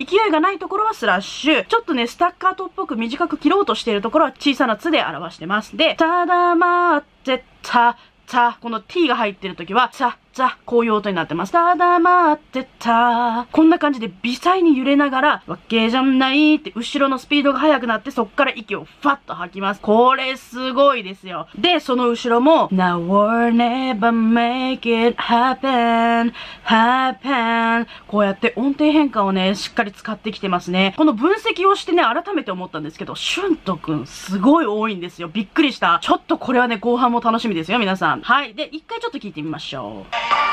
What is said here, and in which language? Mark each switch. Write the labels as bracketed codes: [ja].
[ja] 勢いがないところはスラッシュ。ちょっとね、スタッカートっぽく短く切ろうとしているところは小さなつで表してます。で、ただまあってた、た、この t が入ってる時は、た、た、こういう音になってます。ただ待ってた。こんな感じで微細に揺れながら、わけじゃないって後ろのスピードが速くなって、そっから息をファッと吐きます。これすごいですよ。で、その後ろも、 [en] Now or never make it happen, happen. [ja] こうやって音程変化をね、しっかり使ってきてますね。この分析をしてね、改めて思ったんですけど、俊斗くんすごい多いんですよ。びっくりした。ちょっとこれはね、後半も楽しみですよ、皆さん。はい。で、一回ちょっと聞いてみましょう。